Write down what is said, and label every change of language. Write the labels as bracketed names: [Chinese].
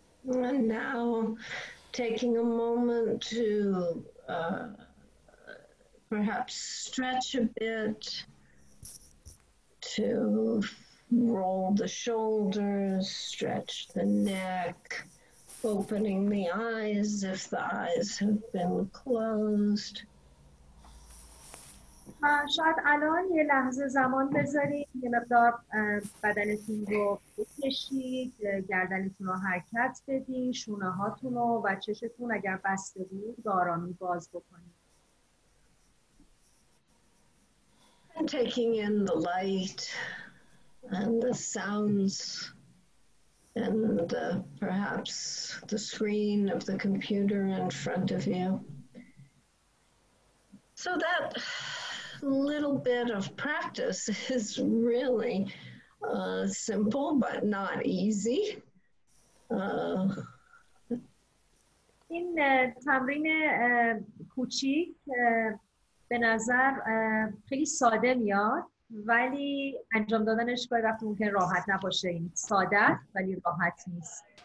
[English] And now, taking a moment to perhaps stretch a bit, to roll the shoulders, stretch the neck, opening the eyes if the eyes have been closed. [Persian] شاید الان یه لحظه زمان بذارید یه مقدار بدنتون رو بکشید گردنتون رو حرکت بدید شونه هاتون رو و چشتون اگر بسته بود به آرامی باز بکنید [English] and taking in the light and the sounds and perhaps the screen of the computer in front of you so that little bit of practice is really simple but not easy. [Persian] این تمرین کوچیک به نظر خیلی ساده میاد ولی انجام دادنش گاهی وقت ممکن راحت نباشه این ساده ولی راحت نیست.